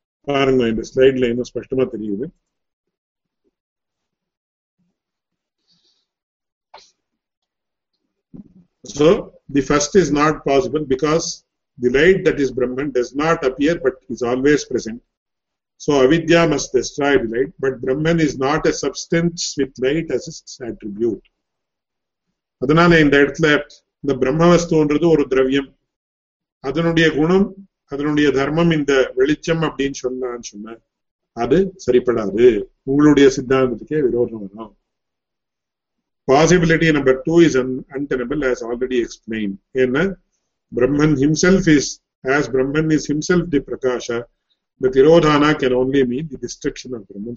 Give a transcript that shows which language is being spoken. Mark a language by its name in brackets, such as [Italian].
[Tamil] பாருங்க இந்த ஸ்லைட்ல இன்னும் ஸ்பஷ்டமா தெரியுது. [English] So the first is not possible because The light that is Brahman does not appear but is always present. So avidya must destroy the light, but Brahman is not a substance with light as its attribute. [Tamil] அதனால இந்த இடத்துல இந்த பிரம்ம வஸ்துன்றது ஒரு திரவியம், அதனுடைய குணம் அதனுடைய தர்மம் இந்த வெளிச்சம் அப்படின்னு சொன்னான்னு சொன்ன அது சரிப்படாது, உங்களுடைய சித்தாந்தத்துக்கே விரோதம் வரும். [English] Possibility number two is untenable as already explained. ஏன்னா Brahman himself is, as Brahman is himself the Prakasha, the Tirodhana can only mean the destruction of Brahman.